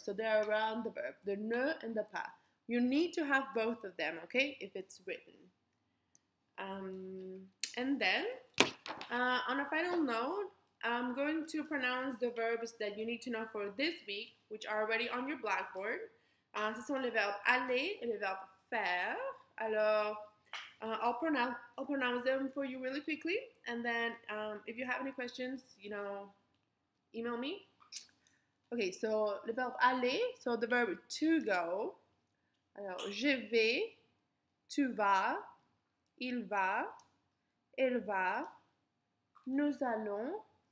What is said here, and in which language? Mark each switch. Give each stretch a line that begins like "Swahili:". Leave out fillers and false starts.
English: So they're around the verb, the ne and the pas. You need to have both of them, okay, if it's written. And then, on a final note, I'm going to pronounce the verbs that you need to know for this week, which are already on your blackboard.
French: Ce sont les verbes aller et les verbes faire.
English: Alors, I'll pronounce them for you really quickly. And then, if you have any questions, you know, email me. Okay, so
French: le verbe aller,
English: so the verb to go.
French: Alors, je vais, tu vas, il va, elle va, nous allons.